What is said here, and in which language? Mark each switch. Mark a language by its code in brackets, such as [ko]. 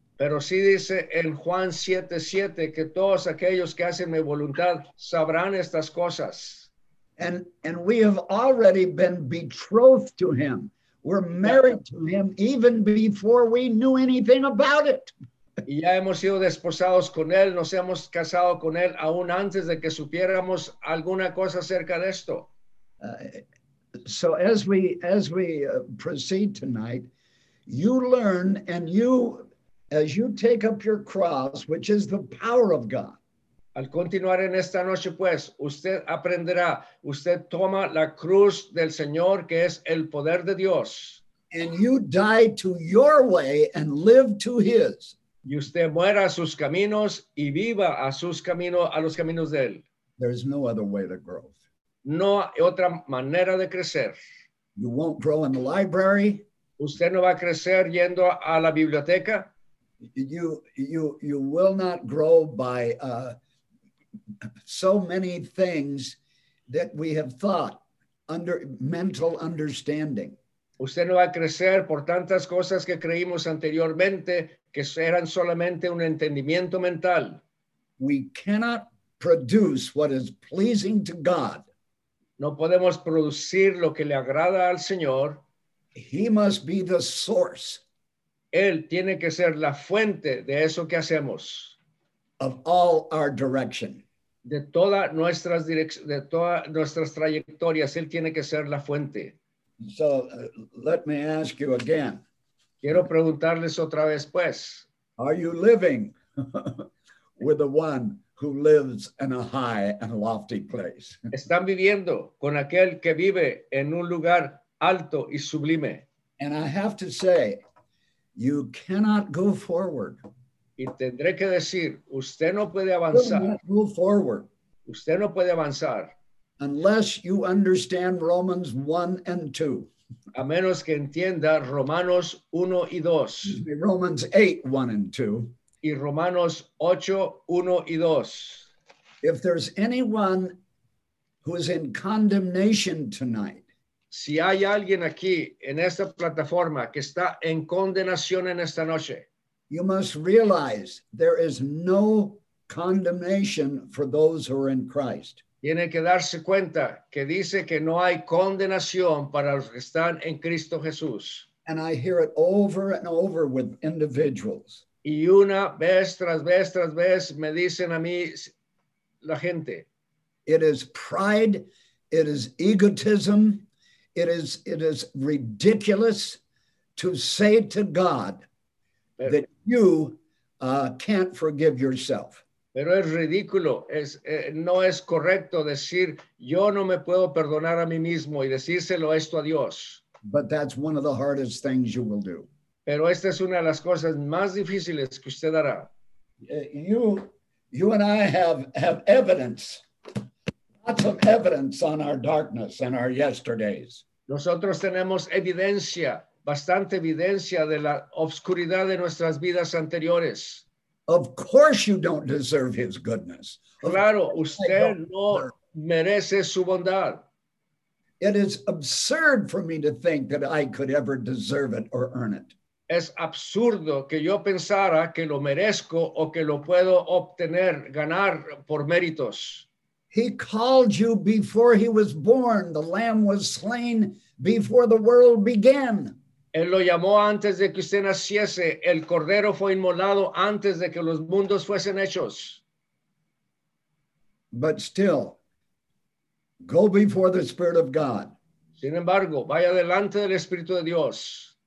[es] Pero sí dice en Juan 7:7 que todos aquellos que hacen mi voluntad sabrán estas cosas. [en] And we have already been betrothed to him. We're married to him even before we knew anything about it. [es] Y ya hemos sido desposados con él, nos hemos casado con él aún antes de que supiéramos alguna cosa acerca de esto. [en] So as we proceed tonight, you learn and you, as you take up your cross, which is the power of God. [es] Al continuar en esta noche, pues, usted aprenderá. Usted toma la cruz del Señor, que es el poder de Dios. [en] And you die to your way and live to his. [es] Y usted muera a sus caminos y viva a sus caminos, a los caminos de él. [en] There's no other way to grow. [es] No hay otra manera de crecer. [en] You won't grow in the library. [es] Usted no va a crecer yendo a la biblioteca. [en] You will not grow by so many things that we have thought under mental understanding. [es] Usted no va a crecer por tantas cosas que creímos anteriormente que eran solamente un entendimiento mental. [en] We cannot produce what is pleasing to God. [es] No podemos producir lo que le agrada al Señor. [en] He must be the source. [es] Él tiene que ser la fuente de eso que hacemos. [en] Of all our direction. [es] De todas nuestras direcciones, de todas nuestras trayectorias, Él tiene que ser la fuente. [en] So, let me ask you again. [es] Quiero preguntarles otra vez, pues. [en] Are you living with the one who lives in a high and lofty place? [es] ¿Están viviendo con aquel que vive en un lugar alto y sublime? [en] And I have to say, you cannot go forward. [es] Y tendré que decir, usted no puede avanzar. [en] You cannot go forward. [es] Usted no puede avanzar. [en] unless you understand Romans 1 and 2. [es] A menos que entienda Romanos 1 y 2. [en] Romans 8, 1 and 2. [es] Y Romanos 8, 1 y 2. [en] If there's anyone who is in condemnation tonight. [es] Si hay alguien aquí en esta plataforma que está en condenación en esta noche. [en] You must realize there is no condemnation for those who are in Christ. [es] Tiene que darse cuenta que dice que no hay condenación para los que están en Cristo Jesús. [en] And I hear it over and over with individuals. [es] Y una vez tras vez tras vez me dicen a mí la gente. [en] It is pride, it is egotism, it is ridiculous to say to God that you can't forgive yourself. [es] Pero es ridículo, no es correcto decir yo no me puedo perdonar a mí mismo y decírselo esto a Dios. [en] But that's one of the hardest things you will do. [es] Pero esta es una de las cosas más difíciles que usted hará. [en] You and I have evidence, lots of evidence on our darkness and our yesterdays. [es] Nosotros tenemos evidencia, bastante evidencia de la oscuridad de nuestras vidas anteriores. [en] Of course you don't deserve his goodness. [es] Claro, usted no merece su bondad. [en] It is absurd for me to think that I could ever deserve it or earn it. [es] Es absurdo que yo pensara que lo merezco o que lo puedo obtener, ganar por méritos. [en] He called you before he was born. The lamb was slain before the world began. [es] Él lo llamó antes de que usted naciese. El cordero fue inmolado antes de que los mundos fuesen hechos. [en] But still, go before the Spirit of God. [es] Sin embargo, vaya delante del Espíritu de Dios.